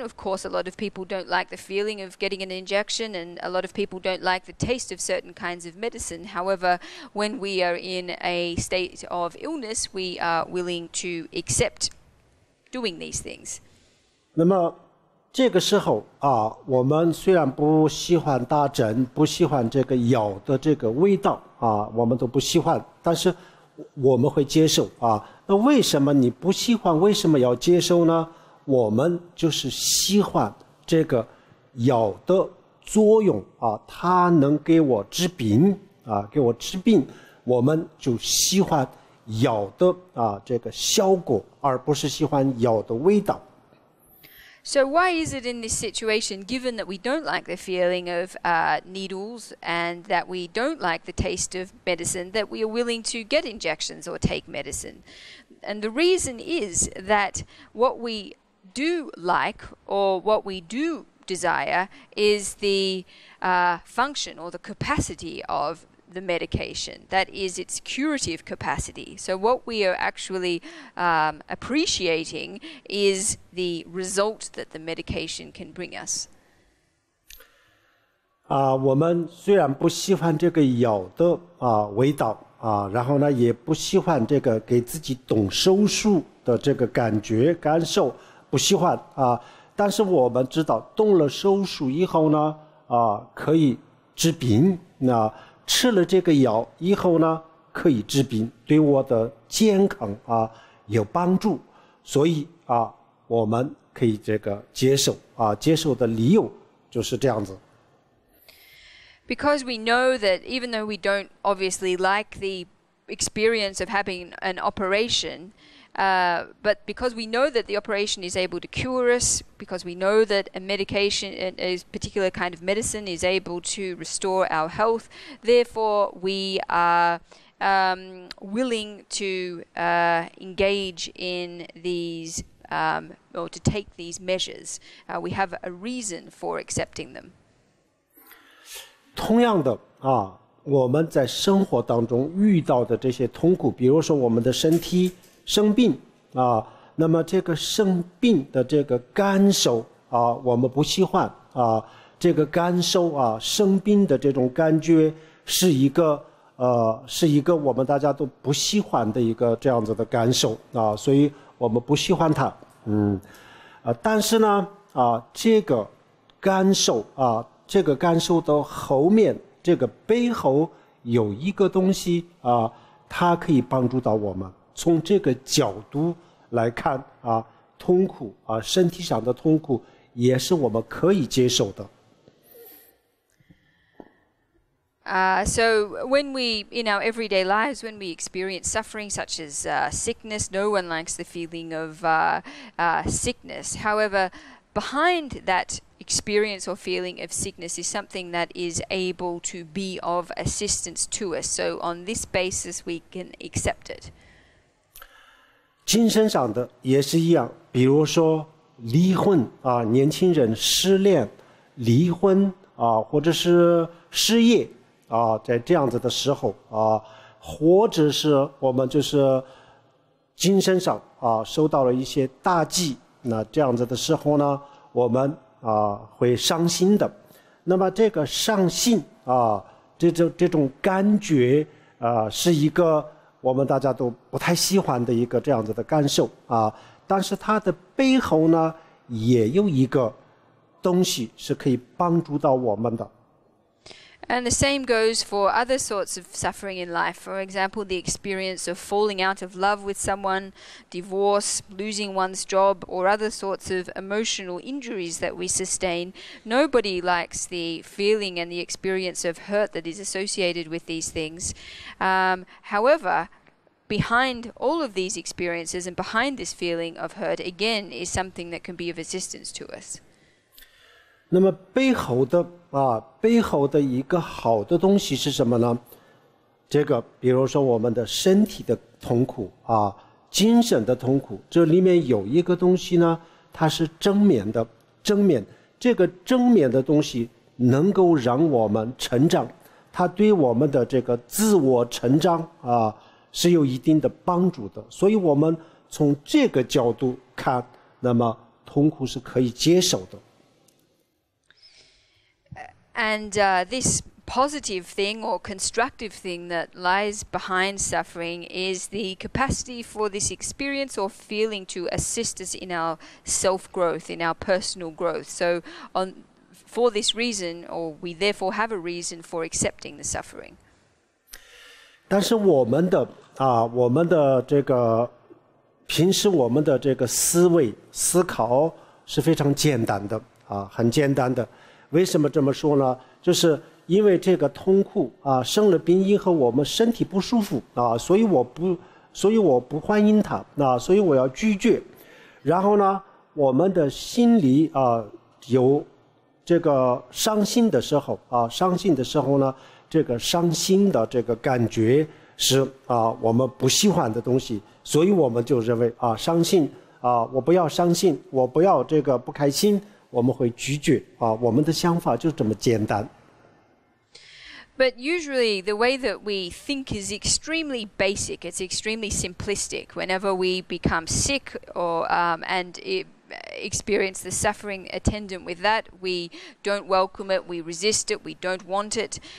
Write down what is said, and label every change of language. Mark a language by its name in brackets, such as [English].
[English] Of course, a lot of people don't like the feeling of getting an injection and a lot of people don't like the taste of certain kinds of medicine. However, when we are in a state of illness, we are willing to accept doing these things. [Chinese] 那么这个时候啊，我们虽然不喜欢打针，不喜欢这个药的这个味道啊，我们都不喜欢，但是我们会接受啊，那为什么你不喜欢？为什么要接受呢？我们就是喜欢这个药的作用啊，它能给我治病啊，给我治病，我们就喜欢药的啊这个效果，而不是喜欢药的味道。 [English] So why is it in this situation, given that we don't like the feeling of needles and that we don't like the taste of medicine, that we are willing to get injections or take medicine? And the reason is that what we do like or what we do desire is the function or the capacity of the medication, that is its curative capacity. So what we are actually appreciating is the result that the medication can bring us. [Chinese] 我们虽然不喜欢这个药的味道啊，然后呢也不喜欢这个给自己动手术的这个感觉感受，不喜欢啊，但是我们知道动了手术以后呢可以治病，那吃了这个药以后呢，可以治病，对我的健康啊有帮助，所以啊，我们可以这个接受啊，接受的理由就是这样子。 [English] Because we know that even though we don't obviously like the experience of having an operation, but because we know that the operation is able to cure us, because we know that a medication, a particular kind of medicine, is able to restore our health, therefore we are willing to engage in these, or to take these measures. We have a reason for accepting them. [Chinese] 同样的啊，我们在生活当中遇到的这些痛苦，比如说我们的身体生病啊，那么这个生病的这个感受啊，我们不喜欢啊，这个感受啊，生病的这种感觉是一个是一个我们大家都不喜欢的一个这样子的感受啊，所以我们不喜欢它，但是呢啊，这个感受啊，这个感受的后面，这个背后有一个东西啊，它可以帮助到我们。从这个角度来看啊，痛苦啊，身体上的痛苦也是我们可以接受的。 [English] So when we, in our everyday lives, when we experience suffering such as sickness, no one likes the feeling of sickness. However, behind that experience or feeling of sickness is something that is able to be of assistance to us. So on this basis, we can accept it. [Chinese] 精神上的也是一样，比如说离婚啊，年轻人失恋、离婚啊，或者是失业。啊，在这样子的时候啊，或者是我们就是精神上啊受到了一些打击，那这样子的时候呢，我们啊会伤心的。那么这个伤心啊，这种感觉啊，是一个我们大家都不太喜欢的一个这样子的感受啊。但是它的背后呢，也有一个东西是可以帮助到我们的。 [English] And the same goes for other sorts of suffering in life. For example, the experience of falling out of love with someone, divorce, losing one's job, or other sorts of emotional injuries that we sustain. Nobody likes the feeling and the experience of hurt that is associated with these things. However, behind all of these experiences and behind this feeling of hurt, again, is something that can be of assistance to us. [Chinese] 那么背后的啊，背后的一个好的东西是什么呢？这个比如说我们的身体的痛苦啊，精神的痛苦，这里面有一个东西呢，它是正面的，正面，这个正面的东西能够让我们成长，它对我们的这个自我成长啊是有一定的帮助的，所以我们从这个角度看，那么痛苦是可以接受的。 [English] And this positive thing or constructive thing that lies behind suffering is the capacity for this experience or feeling to assist us in our self-growth, in our personal growth. So on, for this reason, or we therefore have a reason for accepting the suffering. [Chinese] 但是我们的啊，我们的这个平时我们的这个思维思考是非常简单的啊，很简单的。为什么这么说呢？就是因为这个痛苦啊，生了病以后我们身体不舒服啊，所以我不欢迎它，那、啊、所以我要拒绝。然后呢，我们的心里啊有这个伤心的时候啊，伤心的时候呢，这个伤心的这个感觉是啊我们不喜欢的东西，所以我们就认为啊伤心啊我不要伤心，我不要这个不开心。我们会拒绝啊，我们的想法就这么简单。 [English] But usually the way that we think is extremely basic. It's extremely simplistic. Whenever we become sick or and experience the suffering attendant with that, we don't welcome it, we resist it, we don't want it.